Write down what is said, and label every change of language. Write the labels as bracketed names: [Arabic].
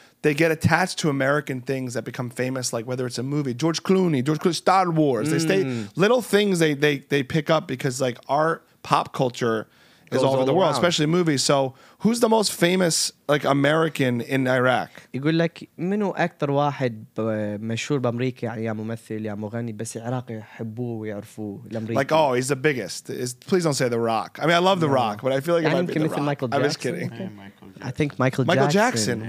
[English] They get attached to American things that become famous, like whether it's a movie, George Clooney, Star Wars. Mm. They stay little things they pick up because like our pop culture is all over the world, especially movies. So who's the most famous like American in Iraq? [Arabic] يقول لك منو أكثر واحد مشهور بأمريكا يعني ممثل يا مغني بس العراق يحبوه ويعرفوه الأمريكي. [English] Like oh, he's the biggest. Please don't say The Rock. I mean, I love The Rock, but I feel like it might be The Rock. Michael Jackson. I'm just kidding. I think Michael Jackson.